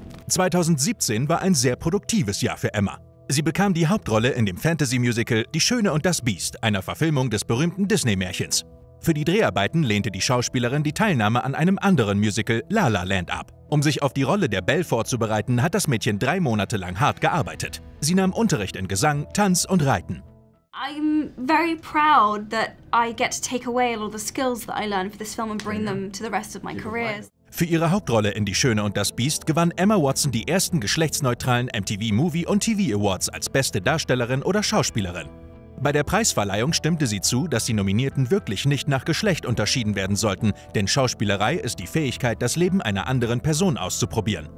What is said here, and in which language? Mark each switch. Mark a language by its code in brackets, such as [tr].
[de] 2017 war ein sehr produktives Jahr für Emma. Sie bekam die Hauptrolle in dem Fantasy-Musical Die Schöne und das Biest, einer Verfilmung des berühmten Disney-Märchens. Für die Dreharbeiten lehnte die Schauspielerin die Teilnahme an einem anderen Musical, La La Land, ab. Um sich auf die Rolle der Belle vorzubereiten, hat das Mädchen 3 Monate lang hart gearbeitet. Sie nahm Unterricht in Gesang, Tanz und Reiten. [en] I'm very proud that I get to take away all the skills that I learned for this film and bring them to the rest of my career. [de] Für ihre Hauptrolle in Die Schöne und das Biest gewann Emma Watson die ersten geschlechtsneutralen MTV Movie und TV Awards als beste Darstellerin oder Schauspielerin. Bei der Preisverleihung stimmte sie zu, dass die Nominierten wirklich nicht nach Geschlecht unterschieden werden sollten, denn Schauspielerei ist die Fähigkeit, das Leben einer anderen Person auszuprobieren.